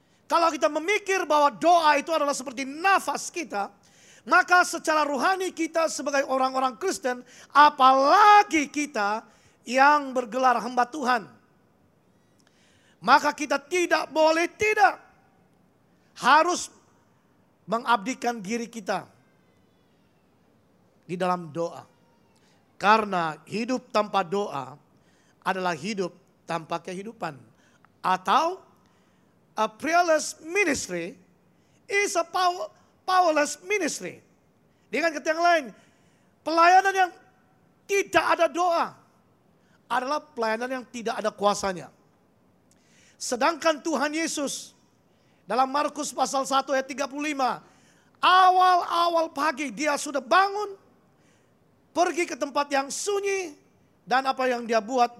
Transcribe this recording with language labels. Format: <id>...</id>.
<id>Kalau kita memikir bahwa doa itu adalah seperti nafas kita, maka secara rohani kita sebagai orang-orang Kristen, apalagi kita yang bergelar hamba Tuhan, maka kita tidak boleh tidak harus mengabdikan diri kita di dalam doa. Karena hidup tanpa doa adalah hidup tanpa kehidupan.</id> <en>Atau a prayerless ministry is a powerless ministry.</en> <id>Dengan kata yang lain, pelayanan yang tidak ada doa adalah pelayanan yang tidak ada kuasanya. Sedangkan Tuhan Yesus dalam Markus pasal 1 ayat 35, awal-awal pagi dia sudah bangun, pergi ke tempat yang sunyi, dan apa yang dia buat?</id>